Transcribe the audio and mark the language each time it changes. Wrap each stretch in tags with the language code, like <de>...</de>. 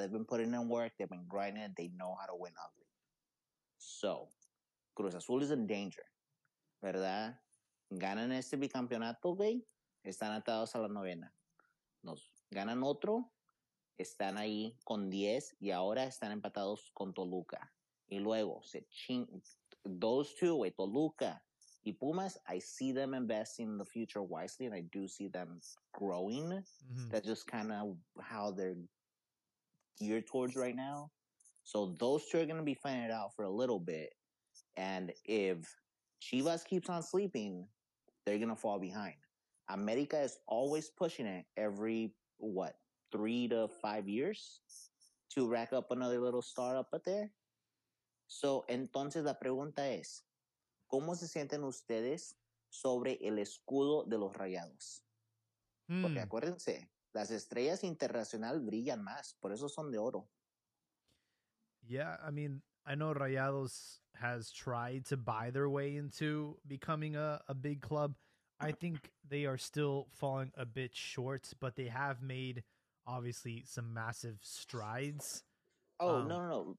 <en>They've been putting in work, they've been grinding, they know how to win ugly. So, Cruz Azul is in danger, ¿verdad?</en> <es>Ganan este bicampeonato, güey, están atados a la novena. Nos ganan otro, están ahí con 10 y ahora están empatados con Toluca. Y luego,</es> <en>those two, güey, Toluca y Pumas, I see them investing in the future wisely and I do see them growing. Mm-hmm. That's just kind of how they're geared towards right now. So those two are going to be fighting it out for a little bit. And if Chivas keeps on sleeping, they're going to fall behind. America is always pushing it every, 3 to 5 years to rack up another little startup up there.</en> <es>So, entonces la pregunta es, ¿cómo se sienten ustedes sobre el escudo de los rayados? Hmm. Porque acuérdense, las estrellas internacional brillan más, por eso son de oro.</es> <en>Yeah, I mean, I know Rayados has tried to buy their way into becoming a big club. I think they are still falling a bit short, but they have made, obviously, some massive strides. Oh, no.</en>